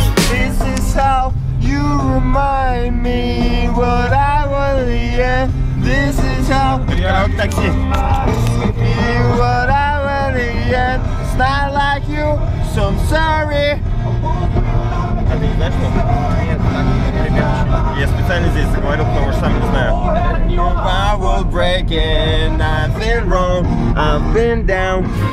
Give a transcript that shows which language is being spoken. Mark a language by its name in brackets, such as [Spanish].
[English] This is how you remind me what I want to hear. This is how you remind me what I want to hear. It's not like you, so I'm sorry. [Russian] А ты не знаешь, что? Я специально здесь заговорил, потому что сам не знаю. [English] If I was breaking, I've been wrong, I've been down.